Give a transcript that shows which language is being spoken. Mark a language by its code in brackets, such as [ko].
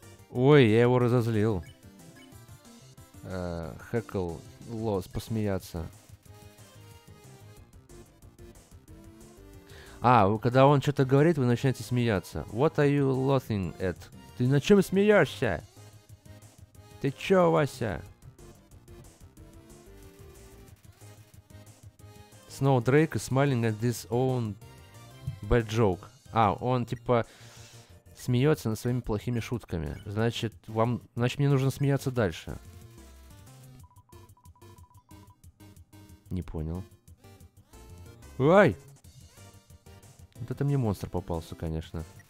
[ru] Ой, я его разозлил. Хэкл, лос, посмеяться. А, когда он что-то говорит, вы начинаете смеяться. [en] What are you laughing at? [ru] Ты на чем смеешься? Ты чё, Вася? [en] Snow Drake is smiling at his own bad joke. [ru] А, он типа смеется над своими плохими шутками. Значит, вам. Значит, мне нужно смеяться дальше. Не понял. Ай! Вот это мне монстр попался, конечно.